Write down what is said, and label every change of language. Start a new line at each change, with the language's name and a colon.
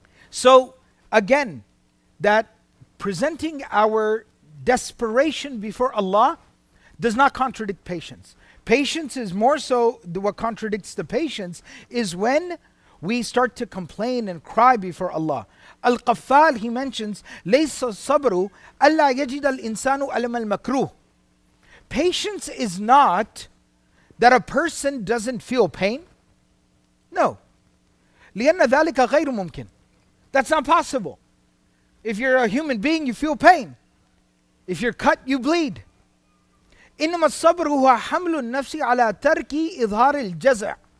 English: So again, that presenting our desperation before Allah does not contradict patience. Patience is more so, what contradicts the patience is when we start to complain and cry before Allah. Al-Qaffal, he mentions,
Arabic: لَيْسَ الصَّبْرُ أَلَّا يَجِدَ الْإِنسَانُ أَلَمَ الْمَكْرُوهُ.
English: Patience is not that a person doesn't feel pain. No.
Arabic: لِأَنَّ ذَلِكَ غَيْرُ مُمْكِنُ.
English: That's not possible. If you're a human being, you feel pain. If you're cut, you bleed.
Arabic: إِنَّمَا الصَّبْرُ هُوَ حَمْلُ النَّفْسِ عَلَى تَرْكِ إِظْهَارِ الْجَزَعِ.